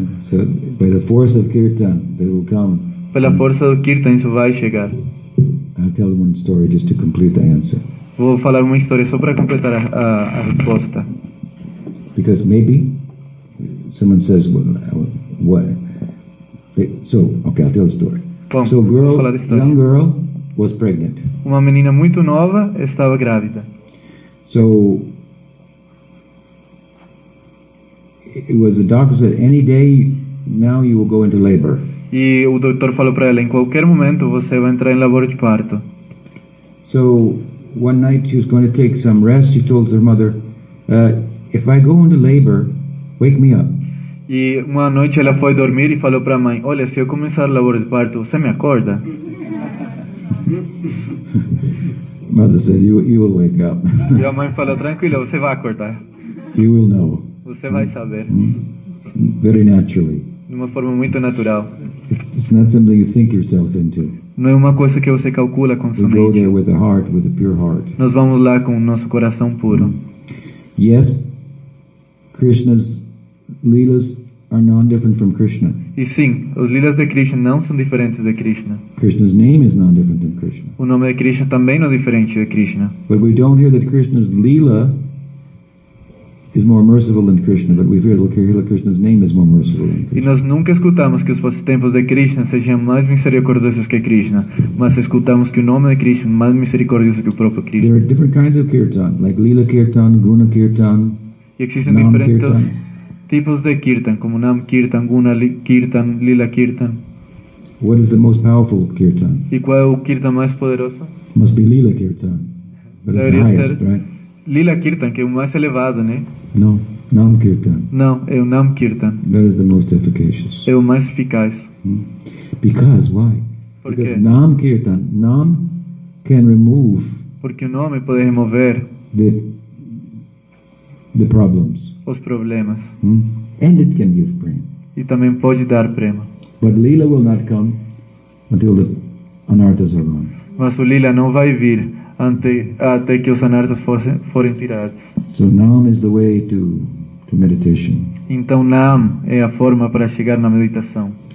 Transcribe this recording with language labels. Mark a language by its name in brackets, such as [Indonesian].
[English] So, by the force of kirtan, they will come. [Portuguese] Pela força do kirtan, isso vai chegar. [English] I'll tell one story just to complete the answer. [Portuguese] Vou falar uma história só para completar a resposta. [English] Because maybe someone says, what? So, okay, I'll tell the story. [Portuguese] Bom, [English] so, girl, [Portuguese] falar história. [English] Young girl was pregnant. [Portuguese] Uma menina muito nova estava grávida. [English] So, it was the doctor said, any day now you will go into labor. [Portuguese] E o doutor falou para ela, em qualquer momento você vai entrar em labor de parto. [English] So, one night she was going to take some rest. She told her mother, if I go into labor, wake me up. [Portuguese] E uma noite ela foi dormir e falou para a mãe, olha, se eu começar a labor de parto, você me acorda? [English] Mother said, you will wake up. [Portuguese] E a mãe falou, tranquila, você vai acordar. [English] You will know. [Portuguese] Você vai saber. [English] Very naturally. [Portuguese] De uma forma muito natural. [English] It's not something you think yourself into. [Portuguese] Não é uma coisa que você calcula com sua mente. [English] We go there with a heart, with a pure heart. [Portuguese] Nós vamos lá com o nosso coração puro. [English] Yes, Krishna's Lilas are non-different from Krishna. [Portuguese] E sim, os lilas de Krishna não são diferentes de Krishna. [English] Krishna's name is non-different than Krishna. [Portuguese] O nome de Krishna também não é diferente de Krishna. [English] But we don't hear that Krishna's lila is more merciful than Krishna, but we hear that Krishna's name is more merciful than Krishna. [Portuguese] E nós nunca escutamos que os passatempos de Krishna sejam mais misericordiosos que Krishna, mas escutamos que o nome de Krishna é mais misericordioso que o próprio Krishna. [English] There are different kinds of kirtan, like lila kirtan, guna kirtan. [Portuguese] E existem diferentes tipos de kirtan, como nam kirtan, guna kirtan, lila kirtan. [English] What is the most powerful kirtan? [Portuguese] E qual é o kirtan mais poderoso? [English] Must be lila kirtan. [Portuguese] Deveria ser [English] highest, right? [Portuguese] Lila kirtan, que é o mais elevado, né? [English] No, nam kirtan. [Portuguese] Não, é o nam kirtan. [English] That is the most efficacious. [Portuguese] É o mais eficaz. [English] Because why? [Portuguese] Porque [English] nam kirtan, nam can remove. [Portuguese] Porque o nome pode remover [English] the problems. [Portuguese] Os problemas. [English] And it can give prema. [Portuguese] E também pode dar prema. [English] But lila will not come until the anarthas are gone. [Portuguese] Mas o lila não vai vir até que os anarthas forem tirados. [English] So nam is the way to meditation. [Portuguese] Então nam é a forma para chegar na meditação.